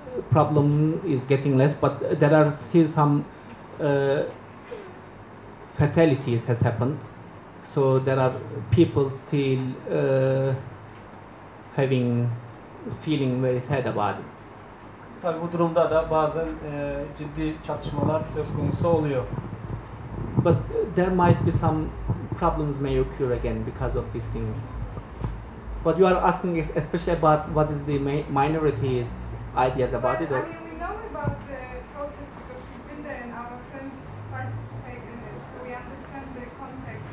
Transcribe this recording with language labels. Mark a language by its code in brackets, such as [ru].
[en] Problem is getting less, but there are still some fatalities has happened. So there are people still having feeling very sad about it. [tr] Tabii bu durumda da bazen ciddi çatışmalar söz konusu oluyor. [en] But there might be some problems may occur again because of these things. But you are asking especially about what is the minorities. Ideas about but, it. Or? I mean, we know about the protest because we've been there and our friends participate in it, so we understand the context.